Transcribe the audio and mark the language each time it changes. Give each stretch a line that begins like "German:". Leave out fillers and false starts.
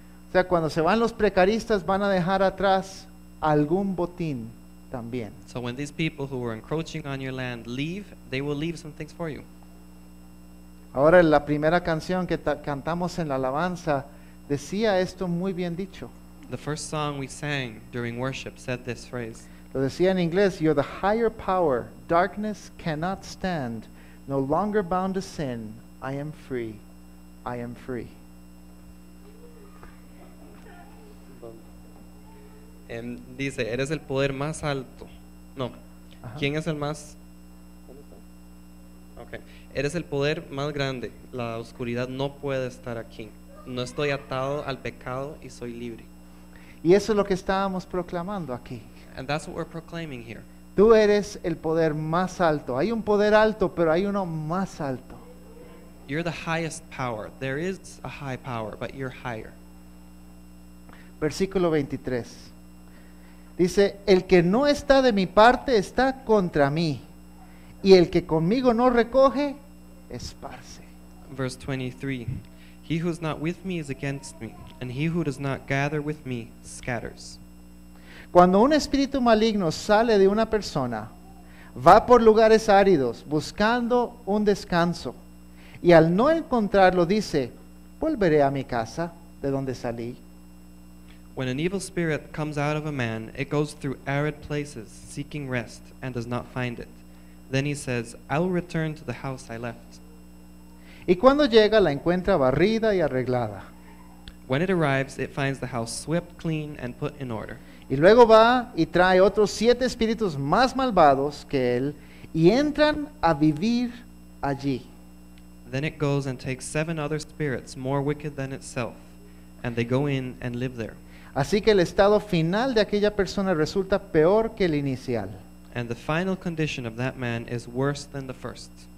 Spanish: O sea, cuando se van los precaristas, van a dejar atrás algún botín también.
English: So when these people who are encroaching on your land leave, they will leave some things for you.
Spanish: Ahora la primera canción que cantamos en la alabanza decía esto muy bien dicho.
English: The first song we sang during worship said this phrase.
Spanish: Lo decía en inglés,
English: you're the higher power, darkness cannot stand, no longer bound to sin, I am free,
Spanish: I am free. Dice, eres el poder más alto, No. ¿Quién es el más? Okay. Eres el poder más grande. La oscuridad no puede estar aquí. No estoy atado al pecado y soy libre. Y eso es lo que estábamos proclamando aquí.
English: And that's what we're proclaiming here.
Spanish: Tú eres el poder más alto. Hay un poder alto, pero hay uno más alto.
English: You're the highest power. There is a high power, but you're higher.
Spanish: Versículo 23. Dice, el que no está de mi parte está contra mí, y el que conmigo no recoge, esparce.
English: Verse 23. He who is not with me is against me, and he who does not gather with me scatters.
Spanish: Cuando un espíritu maligno sale de una persona, va por lugares áridos buscando un descanso, y al no encontrarlo dice, volveré a mi casa de donde salí.
English: When an evil spirit comes out of a man, it goes through arid places seeking rest and does not find it. Then he says, I will return to the house I left.
Spanish: Y cuando llega, la encuentra barrida y arreglada.
English: When it arrives, it finds the house swept clean and put in order.
Spanish: Y luego va y trae otros siete espíritus más malvados que él y entran a vivir allí.
English: Then it goes and takes seven other spirits more wicked than itself, and they go in and live there.
Spanish: Así que el estado final de aquella persona resulta peor que el inicial.
English: And the final condition of that man is worse than the first.